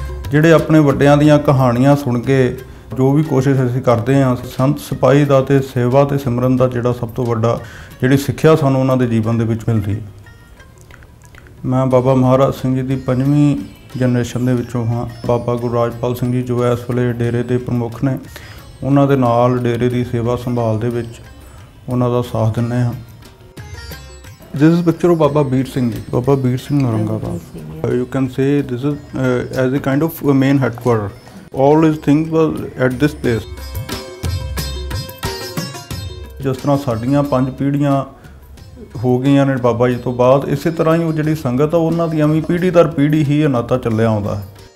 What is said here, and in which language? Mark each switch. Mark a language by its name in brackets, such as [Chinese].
[Punjabi] ਜਿਹੜੇ ਆਪਣੇ ਵੱਡਿਆਂ ਦੀਆਂ ਕਹਾਣੀਆਂ ਸੁਣ ਕੇ ਜੋ ਵੀ ਕੋਸ਼ਿਸ਼ ਅਸੀਂ ਕਰਦੇ ਹਾਂ ਸੰਤ ਸਿਪਾਹੀ ਦਾ ਅਤੇ ਸੇਵਾ ਅਤੇ ਸਿਮਰਨ ਦਾ, ਜਿਹੜਾ ਸਭ ਤੋਂ ਵੱਡਾ ਜਿਹੜੀ ਸਿੱਖਿਆ ਸਾਨੂੰ ਉਹਨਾਂ ਦੇ ਜੀਵਨ ਦੇ ਵਿੱਚ ਮਿਲਦੀ ਹੈ। ਮੈਂ ਬਾਬਾ ਮਹਾਰਾਜ ਸਿੰਘ ਜੀ ਦੀ 5ਵੀਂ ਜਨਰੇਸ਼ਨ ਦੇ ਵਿੱਚੋਂ ਹਾਂ। ਬਾਬਾ ਗੁਰਰਾਜਪਾਲ ਸਿੰਘ ਜੀ ਜੋ ਇਸ ਵੇਲੇ ਡੇਰੇ ਦੇ ਪ੍ਰਮੁੱਖ ਨੇ ਉਹਨਾਂ ਦੇ ਨਾਲ ਡੇਰੇ ਦੀ ਸੇਵਾ ਸੰਭਾਲ ਦੇ ਵਿੱਚ ਉਹਨਾਂ ਦਾ ਸਾਥ ਦਿੰਦੇ ਹਾਂ। [English] This is picture of Baba Veer Singh ji, Baba Veer Singh Nauranggabad. You can say this is as a kind of a main headquarter. All his things were at this place. Just now [Punjabi] ਸਾਡੀਆਂ 5 ਪੀੜ੍ਹੀਆਂ ਹੋ ਗਈਆਂ ਨੇ ਬਾਬਾ ਜੀ ਤੋਂ ਬਾਅਦ, ਇਸੇ ਤਰ੍ਹਾਂ ਹੀ ਉਹ ਜਿਹੜੀ ਸੰਗਤ ਆ ਉਹਨਾਂ ਦੀ ਵੀ ਪੀੜ੍ਹੀ ਦਰ ਪੀੜ੍ਹੀ ਹੀ ਨਾਤਾ ਚੱਲਿਆ ਆਉਂਦਾ ਹੈ।